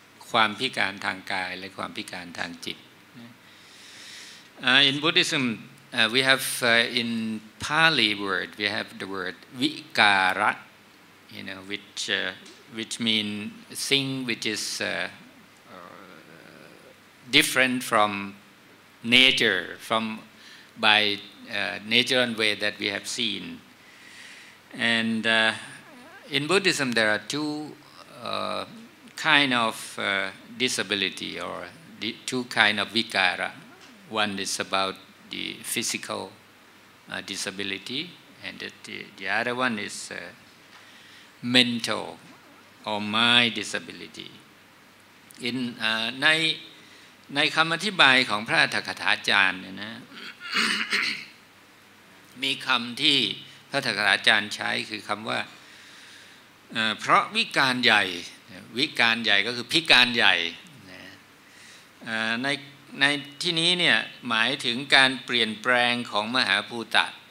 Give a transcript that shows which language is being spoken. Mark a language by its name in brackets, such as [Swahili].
[Thai] ความพิการทางกายและความพิการทางจิต [English] in Buddhismwe have in Pali word we have the word vikara, you know, which mean thing which is different from nature, from by nature and way that we have seen. And in Buddhism there are two kind of disability or two kind of vikara. One is aboutthe physical disability, and the other one is mental or mind disability. [Thai] In ในคำอธิบายของพระอรรถกถาจารย์เนี่ยนะ มีคำที่พระอรรถกถาจารย์ใช้คือคำว่าเพราะวิการใหญ่วิการใหญ่ก็คือพิการใหญ่นะในที่นี้เนี่ยหมายถึงการเปลี่ยนแปลงของมหาภูตะ